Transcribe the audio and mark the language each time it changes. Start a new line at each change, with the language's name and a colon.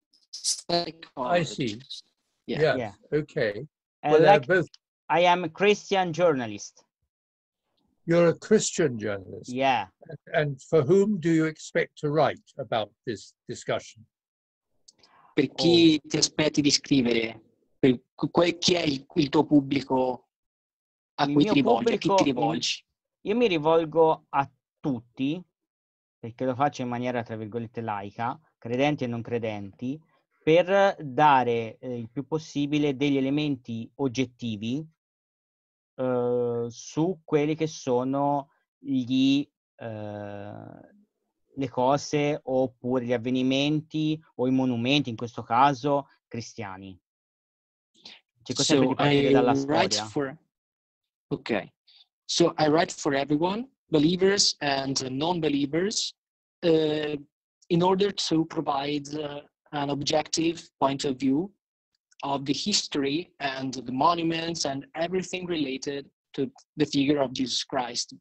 English: Psychologist. I see. Yeah. Okay. I am a Christian journalist. You're a Christian journalist? Yeah. And for whom do you expect to write about this discussion?
Italian: Per chi ti aspetti di scrivere? Per chi è il tuo pubblico a cui ti rivolgi? Chi ti rivolgi? Io mi rivolgo a tutti, perché lo faccio in maniera, tra virgolette, laica, credenti e non credenti, per dare il più possibile degli elementi oggettivi su quelli che sono le cose oppure gli avvenimenti o i monumenti, in questo caso, cristiani. C'è cosa per dipendere dalla storia.
English: Okay. So I write for everyone, believers and non-believers, in order to provide an objective point of view of the history and the monuments and everything related to the figure of Jesus Christ.